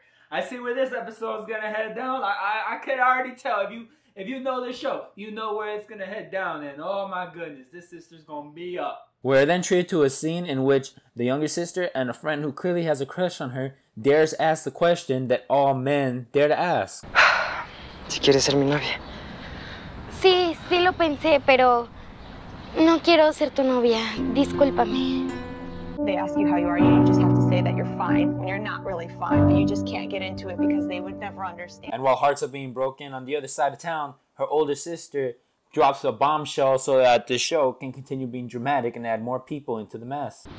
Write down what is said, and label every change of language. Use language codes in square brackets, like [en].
[en] I see where this episode is going to head down. I can already tell. If you know the show, you know where it's going to head down. And oh my goodness, this sister's going to be up. We're then treated to a scene in which the younger sister and a friend who clearly has a crush on her dares ask the question that all men dare to ask. [es] ¿Si quieres ser mi novia? Sí, sí lo pensé, pero no quiero ser tu novia. Discúlpame. [en] They ask you how you are, you just have to say that you're fine when you're not really fine, but you just can't get into it because they would never understand. And while hearts are being broken, on the other side of town, her older sister drops a bombshell so that the show can continue being dramatic and add more people into the mess.